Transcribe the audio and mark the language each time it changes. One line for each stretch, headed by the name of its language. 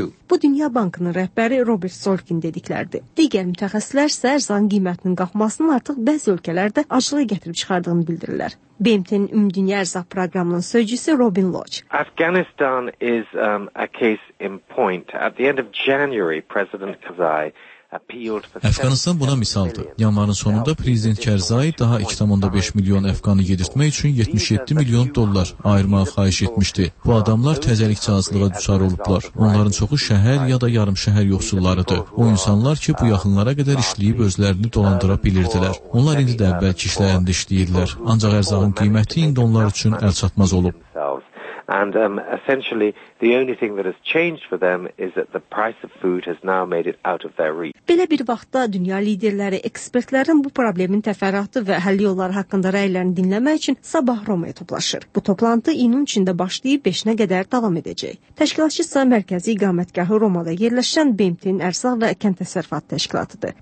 Azerbaijani: Bu, Dünya Bankının rəhbəri Robert Solkin dediklərdir. Digər mütəxəssislər isə ərzağın qiymətinin qalxmasının artıq bəzi ölkələrdə aclığı gətirib çıxardığını bildirirlər. BMT-nin Ümumdünya Ərzaq Proqramının sözcüsü Robin Lodge.
English: Afghanistan is a case in point. At the end of January, President Karzai
Azerbaijani: Əfqanistan buna misaldır. Yanvarın sonunda Prezident Kərzai daha 2,5 milyon Əfqanı yedirtmək üçün 77 milyon dollar ayırmağı xahiş etmişdi. Bu adamlar təzəlikçi azlığa düşar olublar. Onların çoxu şəhər ya da yarım şəhər yoxsullarıdır. O insanlar ki, bu yaxınlara qədər işləyib özlərini dolandıra bilirdilər. Onlar indi də əvvəlki işləyəndə işləyirlər. Ancaq ərzağın qiyməti indi onlar üçün əlçatmaz olub.
English: And essentially, the only thing that has changed for them is that the price of food has now made it out of their reach.
Azerbaijani: Belə bir vaxtda dünya liderləri ekspertlərin bu problemin təfərrüatı və həll yolları haqqında rəylərini dinləmək üçün sabah Romaya toplaşır. Bu toplantı iyunun 3-də başlayıb 5-nə qədər davam edəcək. Təşkilatçı isə mərkəzi iqamətgahı Romada yerləşən BMT-nin ərzaq və kənd təsərrüfat təşkilatıdır.